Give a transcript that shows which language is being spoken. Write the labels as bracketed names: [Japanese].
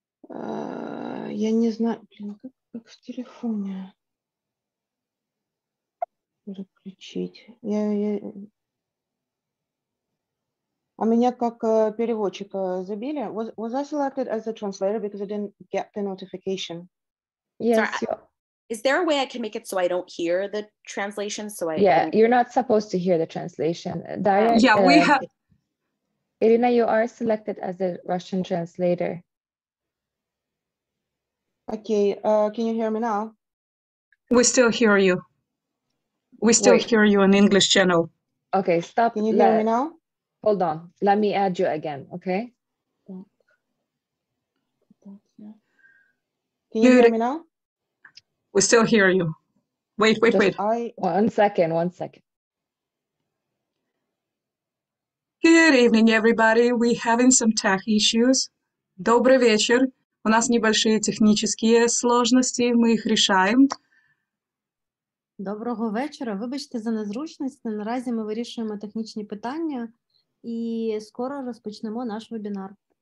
[Russian] Я не знаю, блин, как в телефоне. Включить. У меня как переводчика забили. [English] Was I selected as a translator because I didn't get the notification? Yes. Is there a way I can make it so I don't hear the translation? So I yeah, can... you're not supposed to hear the translation. Daria, yeah, we have. Irina, you are selected as a Russian translator. Okay. Can you hear me now? We still hear you. We still Wait. Hear you on English channel. Okay, stop. Can you hear me now? Hold on. Let me add you again, okay? Can you hear me now? We still hear you. Wait. One second. Good evening, everybody. We're having some tech issues. [Russian] Добрый вечер. У нас небольшие технические сложности. Мы их решаем. [Ukrainian] Доброго вечора. Вибачте за незручність. Наразі ми вирішуємо технічні питання і скоро розпочнемо наш вебінар.